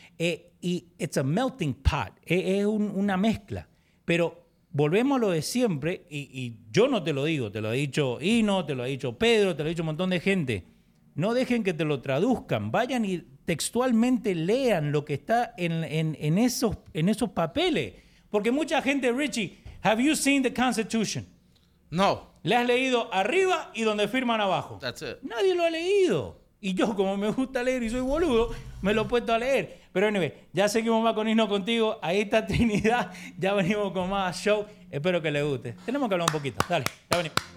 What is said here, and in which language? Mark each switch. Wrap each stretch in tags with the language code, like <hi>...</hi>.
<en>Y it's a melting pot,</en> <es>es una mezcla. Pero volvemos a lo de siempre, y yo no te lo digo, te lo ha dicho Hino, te lo ha dicho Pedro, te lo ha dicho un montón de gente. No dejen que te lo traduzcan, vayan y textualmente lean lo que está en esos papeles. Porque mucha gente,</es> <en>Richie, have you seen the Constitution? No.</en> <es>¿Le has leído arriba y donde firman abajo?</es> <en>That's it.</en> <es>Nadie lo ha leído. Y yo, como me gusta leer y soy boludo, me lo he puesto a leer. Pero anyway, ya seguimos más con Hino Contigo. Ahí está Trinidad. Ya venimos con más show. Espero que les guste. Tenemos que hablar un poquito. Dale, ya venimos.</es>